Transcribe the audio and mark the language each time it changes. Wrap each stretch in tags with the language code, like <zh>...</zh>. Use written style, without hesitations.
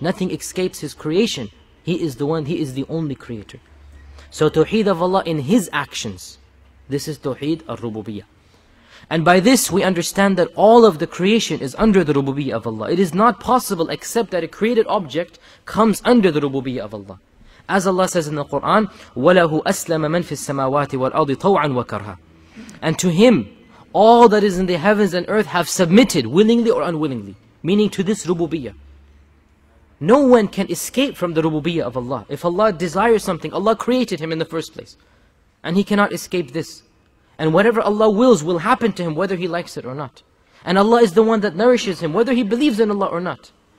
<en>Nothing escapes His creation. He is the one, He is the only creator. So Tawheed of Allah in His actions, this is Tawheed al-Rububiyyah. And by this we understand that all of the creation is under the Rububiyyah of Allah. It is not possible except that a created object comes under the Rububiyyah of Allah. As Allah says in the Quran,</en> <ar>وَلَهُ أَسْلَمَ مَنْ فِي السَّمَاوَاتِ وَالْأَرْضِ طَوْعًا وَكَرْهًا.</ar> <en>And to Him, all that is in the heavens and earth have submitted willingly or unwillingly. Meaning to this Rububiyyah. No one can escape from the Rububiyyah of Allah. If Allah desires something, Allah created him in the first place. And he cannot escape this. And whatever Allah wills will happen to him, whether he likes it or not. And Allah is the one that nourishes him, whether he believes in Allah or not.</en>